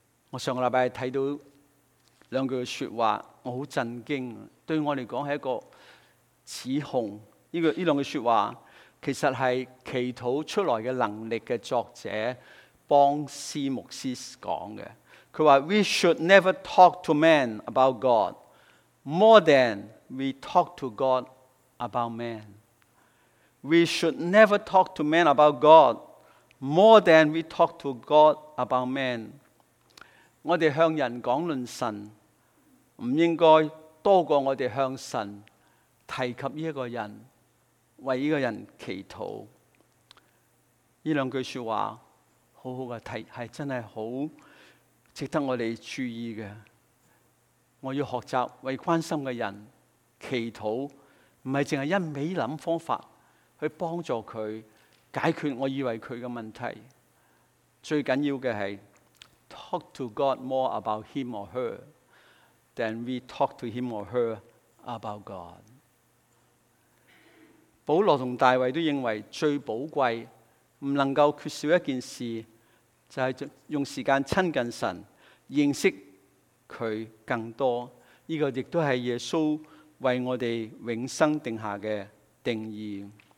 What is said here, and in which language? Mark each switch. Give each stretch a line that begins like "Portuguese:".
Chinese: 我上个礼拜看到两句说话，我很震惊，对我来说是一个指控。这两句说话其实是祈祷出来的能力的作者帮司牧师说的。他说
English: We should never talk to man about God more than we talk to God about man. We should never talk to man about God more than we talk to God about man.
Chinese: 我们向人讲论神不应该多过我们向神提及这个人，为这个人祈祷。这两句说话好好的提，是真的好值得我们注意的。我要学习为关心的人祈祷，不只是一味想方法去帮助他解决我以为他的问题。最重要的是
English: talk to God more about him or her than we talk to him or her about God。
Chinese: 保罗和大卫都认为最宝贵不能够缺少一件事，就是用时间亲近神，认识祂更多。这个也都是耶稣为我们永生定下的定义。